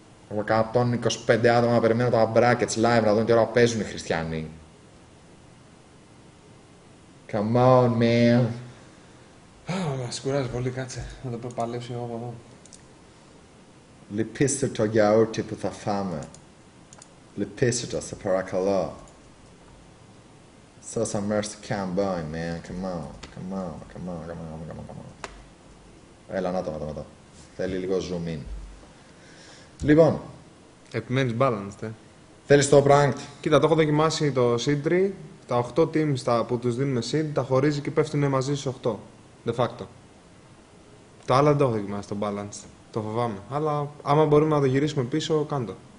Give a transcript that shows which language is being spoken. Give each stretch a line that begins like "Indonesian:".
Greek: Από 125 άτομα να περιμένω τα brackets live, να δουν τι ώρα παίζουν οι χριστιανοί.
English: Come on, man.
Greek: Μας κουράζει πολύ, κάτσε. Να το προπαλέψω εγώ από εδώ. Λυπήστε το γιαούρτι που θα φάμε. Λυπήστε το, σε παρακαλώ.
English: Show some mercy, cowboy, man. Come on, come on, come on, come on, come on, come on.
Greek: Έλα, να το, να το, να το. Θέλει λίγο zoom in. Λοιπόν. Επιμένεις balanced, ε. Θέλεις το ranked. Κοίτα, το έχω δοκιμάσει το seed tree. Τα 8 teams τα που τους δίνουμε seed, τα χωρίζει και πέφτουν μαζί στους 8. De facto. Τα άλλα δεν το έχω δοκιμάσει, το balanced. Το φοβάμαι. Αλλά άμα μπορούμε να το γυρίσουμε πίσω, κάντο.